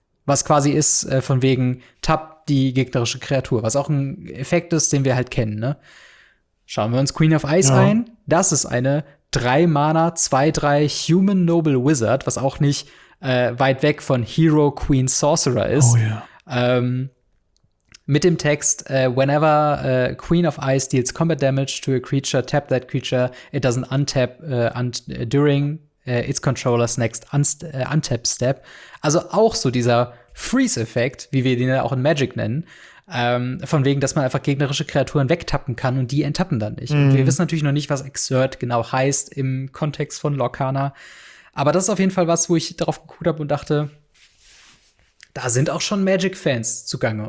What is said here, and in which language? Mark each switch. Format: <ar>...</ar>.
<de>Was quasi ist, von wegen Tap, die gegnerische Kreatur, was auch ein Effekt ist, den wir halt kennen, ne? Schauen wir uns Queen of Ice ein. Das ist eine 3-Mana-2-3 Human Noble Wizard, was auch nicht weit weg von Hero Queen Sorcerer ist.</de> <en>Oh yeah.</en> <de>Mit dem Text,</de> <en>whenever Queen of Ice deals combat damage to a creature, tap that creature, it doesn't untap during its controller's next untap step.</en> <de>Also auch so dieser Freeze-Effekt, wie wir den ja auch in Magic nennen, von wegen, dass man einfach gegnerische Kreaturen wegtappen kann und die enttappen dann nicht. Und wir wissen natürlich noch nicht, was Exert genau heißt im Kontext von Lorcana. Aber das ist auf jeden Fall was, wo ich darauf geguckt habe und dachte, da sind auch schon Magic-Fans zugange.</de>